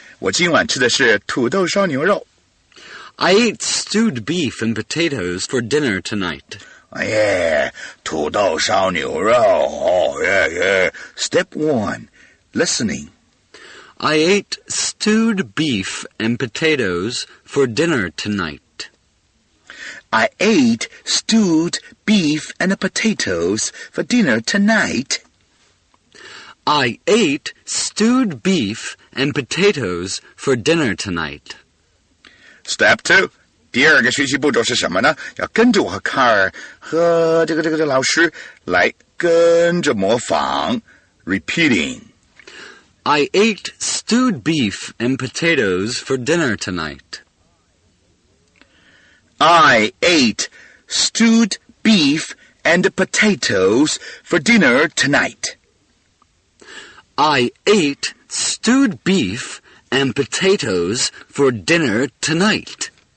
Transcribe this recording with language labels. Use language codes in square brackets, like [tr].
[zh] 我今晚吃的是土豆烧牛肉。 [en] I ate stewed beef and potatoes for dinner tonight. Yeah, [zh] 土豆烧牛肉。 [en] Oh, yeah, yeah. Step 1. Listening. I ate stewed beef and potatoes for dinner tonight. I ate stewed beef and potatoes for dinner tonight. I ate stewed beef and potatoes for dinner tonight. Step 2. [zh] 第二个学习步骤是什么呢？要跟着我和卡尔和这个老师来跟着模仿。 [en] Repeating. I ate stewed beef and potatoes for dinner tonight. I ate stewed beef and potatoes for dinner tonight. I ate stewed beef and potatoes for dinner tonight.